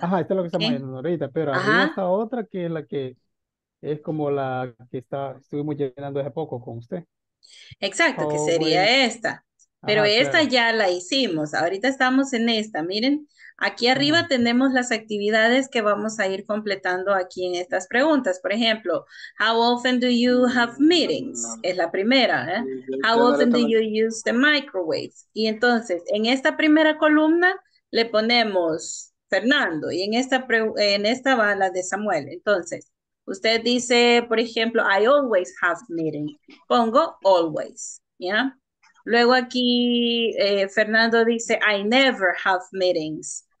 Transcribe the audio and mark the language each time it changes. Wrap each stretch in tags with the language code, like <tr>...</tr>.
<es>Ajá, esta es la que estamos llenando ahorita, pero arriba está otra que es la que es como la que estuvimos llenando hace poco con usted. Exacto, que sería esta. Pero esta ya la hicimos. Ahorita estamos en esta. Miren, aquí arriba tenemos las actividades que vamos a ir completando aquí en estas preguntas. Por ejemplo,</es> <en>how often do you have meetings?</en> <es>Es la primera.</es> <en>How often do you use the microwave?</en> <es>Y entonces, en esta primera columna le ponemos Fernando y en esta va la de Samuel. Entonces, usted dice, por ejemplo,</es> <en>I always have meetings.</en> <es>Pongo always, ¿ya? Luego aquí Fernando dice,</es> <en>I never have meetings.</en>